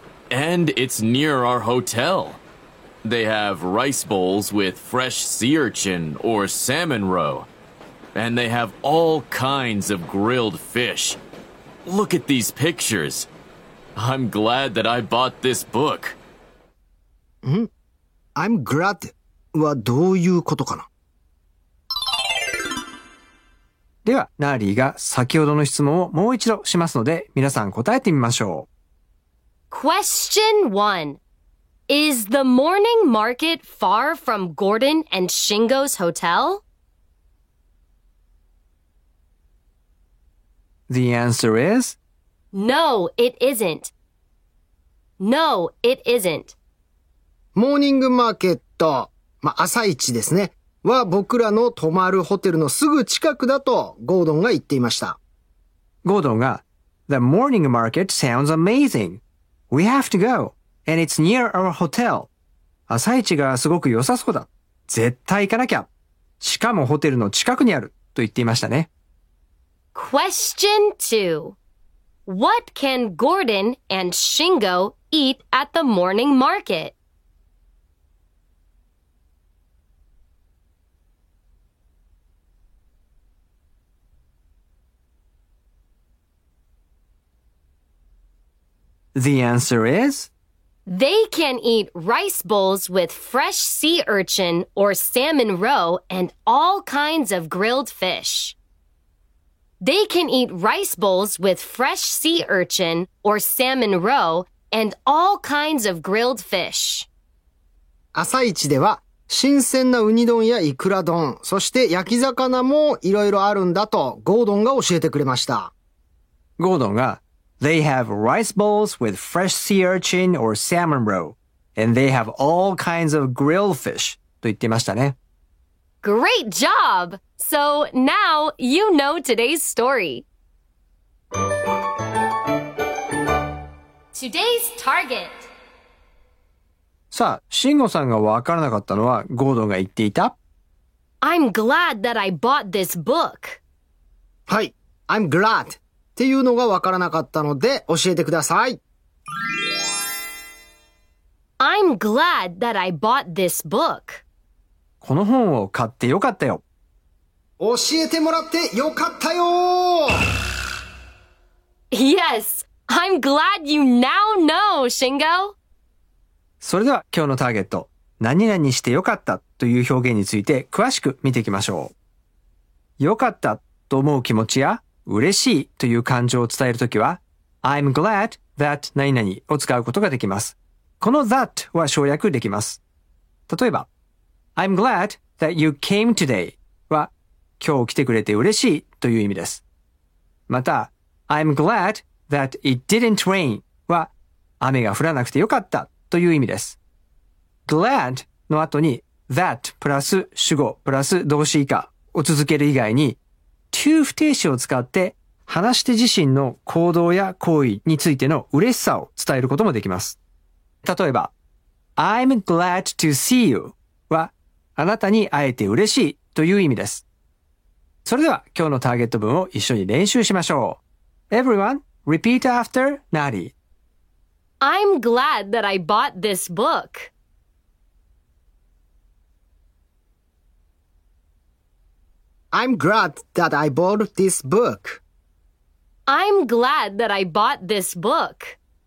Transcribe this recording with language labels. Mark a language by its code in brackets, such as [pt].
[en] And it's near our hotel. They have rice bowls with fresh sea urchin or salmon roe. And they have all kinds of grilled fish. Look at these pictures. I'm glad that I bought this book. [ja] I'm glad はどういうことかな? では、ナーリーが先ほどの質問をもう一度しますので、皆さん答えてみましょう。 [en] Question 1. Is the morning market far from Gordon and Shingo's hotel? The answer is... No, it isn't. No, it isn't. [ja] Morning market, 朝市ですね、は僕らの泊まるホテルのすぐ近くだとゴードンが言っていました。 [en] ゴードンが、The morning market sounds amazing. We have to go. And it's near our hotel. [ja] 朝市がすごく良さそうだ。絶対行かなきゃ。しかもホテルの近くにあると言っていましたね。 [en] Question 2. What can Gordon and Shingo eat at the morning market? The answer is... They can eat rice bowls with fresh sea urchin or salmon roe and all kinds of grilled fish. They can eat rice bowls with fresh sea urchin or salmon roe and all kinds of grilled fish. [ja] 朝市では新鮮なウニ丼やイクラ丼、そして焼き魚もいろいろあるんだとゴードンが教えてくれました。 [en] ゴードンがThey have rice bowls with fresh sea urchin or salmon roe. And they have all kinds of grilled fish. [ja] と言ってましたね。 [en] Great job! So now you know today's story. Today's target. [ja] さあ、シンゴさんがわからなかったのはゴードンが言っていた。 [en] I'm glad that I bought this book. はい、I'm glad. [ja] っていうのがわからなかったので教えてください。 I'm glad that I bought this book. この本を買ってよかったよ。教えてもらってよかったよ。 [en] Yes, I'm glad you now know, Shingo. [ja] それでは今日のターゲット、何々してよかったという表現について詳しく見ていきましょう。よかったと思う気持ちや、嬉しいという感情を伝えるときは I'm glad that 何々を使うことができます。この that は省略できます。例えば I'm glad that you came today は今日来てくれて嬉しいという意味です。また I'm glad that it didn't rain は雨が降らなくてよかったという意味です。 glad の後に that プラス主語プラス動詞以下を続ける以外に、to 不定詞を使って話し手自身の行動や行為についての嬉しさを伝えることもできます。例えば、 I'm glad to see you は、あなたに会えて嬉しいという意味です。それでは今日のターゲット文を一緒に練習しましょう。 [en] Everyone, repeat after Nari. I'm glad that I bought this book. I'm glad that I bought this book. I'm glad that I bought this book.